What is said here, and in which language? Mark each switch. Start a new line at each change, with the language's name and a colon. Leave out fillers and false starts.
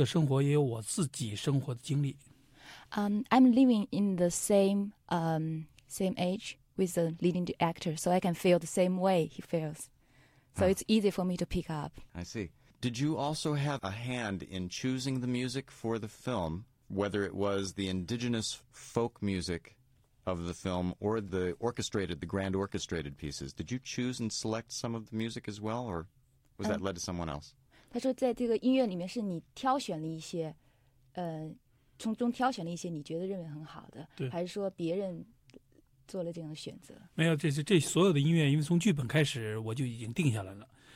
Chinese: 那么，因为本身我跟这个主人公这个电影的主人公等于是个同一个时代的人，所以他的每一段的生活呢，我都特别熟悉。那么他的时代我也特别熟悉。这里当然，这里面主人公的生活也有我自己生活的经历。
English: I'm living in the same age with the leading actor, so I can feel the same way he feels. So it's easy for me to pick up. I see. Did you also have a hand in choosing the music for the film, whether it was the indigenous folk music of the film or the grand orchestrated pieces? Did you choose and select some of the music as well, or was that led to someone else?
Chinese: 他说在这个音乐里面是你挑选了一些，从中挑选了一些你觉得认为很好的，还是说别人做了这样的选择？没有，这所有的音乐，因为从剧本开始我就已经定下来了。